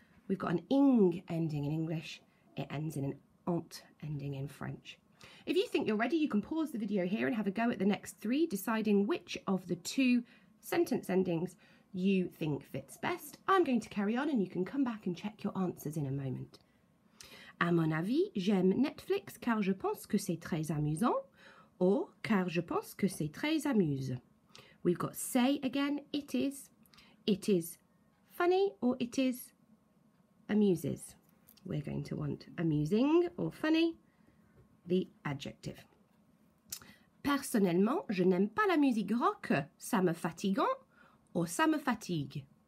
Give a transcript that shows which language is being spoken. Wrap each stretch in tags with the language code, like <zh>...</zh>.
<en>We've got an ing ending in English. It ends in an ont ending in French. If you think you're ready, you can pause the video here and have a go at the next 3, deciding which of the 2 sentence endings you think fits best. I'm going to carry on and you can come back and check your answers in a moment.</en> <fr>À mon avis, j'aime Netflix car je pense que c'est très amusant, or car je pense que c'est très amuse.</fr> <en>We've got say again, it is funny, or it is amuses. We're going to want amusing or funny, the adjective.</en> <fr>Personnellement, je n'aime pas la musique rock, ça me fatigue, or ça me fatigue.</fr>